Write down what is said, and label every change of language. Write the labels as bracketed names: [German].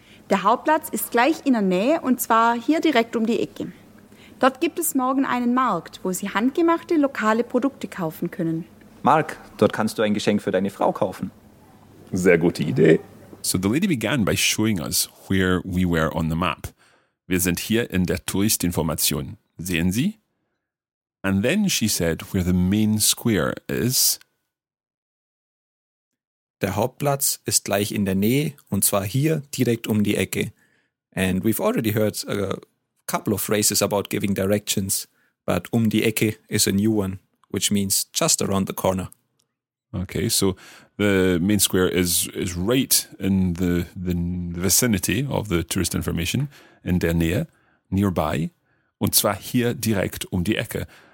[German] Der Hauptplatz ist gleich in der Nähe und zwar hier direkt um die Ecke. Dort gibt es morgen einen Markt, wo Sie handgemachte lokale Produkte kaufen können. Mark, dort kannst du ein Geschenk für deine Frau kaufen. Sehr gute Idee. [English] So the lady began by showing us where we were on the map. [German] Wir sind hier in der Touristinformation. Sehen Sie? [English] And then she said where the main square is. [German] Der Hauptplatz ist gleich in der Nähe und zwar hier direkt um die Ecke. [English] And we've already heard a couple of phrases about giving directions, but [German] um die Ecke [English] is a new one, which means just around the corner. Okay, so the main square is right in the vicinity of the tourist information, [German] in der Nähe, [English] nearby, [German] und zwar hier direkt um die Ecke.